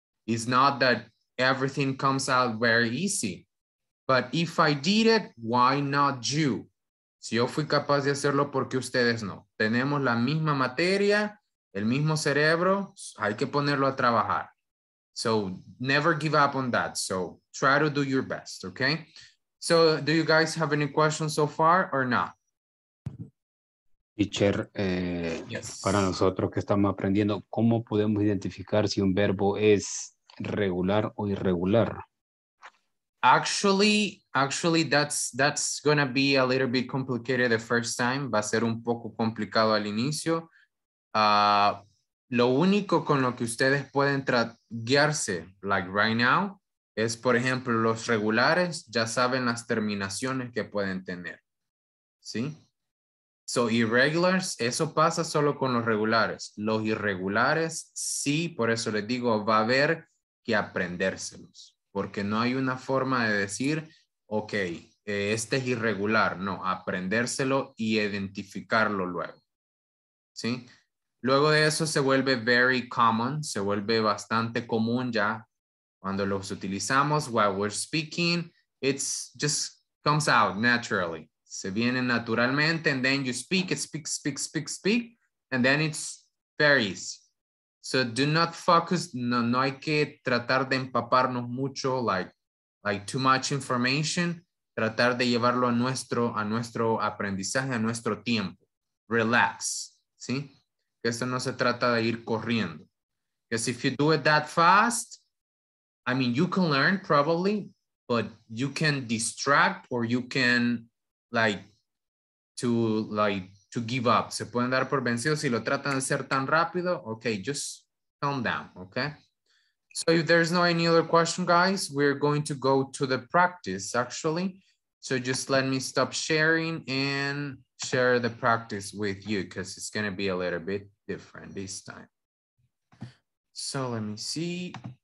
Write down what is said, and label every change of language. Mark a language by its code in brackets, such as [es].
[en] It's not that everything comes out very easy. But if I did it, why not you? [es] Si yo fui capaz de hacerlo, ¿por qué ustedes no? Tenemos la misma materia, el mismo cerebro, hay que ponerlo a trabajar. [en] So never give up on that. So try to do your best, okay? So do you guys have any questions so far or not? Teacher, yes. [es] Para nosotros que estamos aprendiendo, ¿cómo podemos identificar si un verbo es regular o irregular? [en] Actually, that's going to be a little bit complicated the first time. [es] Va a ser un poco complicado al inicio. Lo único con lo que ustedes pueden guiarse, like right now, es, por ejemplo, los regulares. Ya saben las terminaciones que pueden tener. ¿Sí? So irregulars, eso pasa solo con los regulares. Los irregulares, sí, por eso les digo, va a haber que aprendérselos. Porque no hay una forma de decir, ok, este es irregular. No, aprendérselo y identificarlo luego. ¿sí? Luego de eso se vuelve very common, se vuelve bastante común ya. [en] Cuando los utilizamos while we're speaking, it's just comes out naturally. Se viene naturalmente, and then you speak, and then it's very easy. [es] So do not focus, no hay que tratar de empaparnos mucho, like too much information, tratar de llevarlo a nuestro aprendizaje, a nuestro tiempo. [en] Relax, ¿sí? [es] Que esto no se trata de ir corriendo. [en] Because if you do it that fast, I mean, you can learn probably, but you can distract or you can like to give up. [es] Se pueden dar por vencidos si lo tratan de hacer tan rápido. [en] Okay, just calm down, okay? So if there's no any other question, guys, we're going to go to the practice actually. So just let me stop sharing and share the practice with you because it's going to be a little bit different this time. So let me see.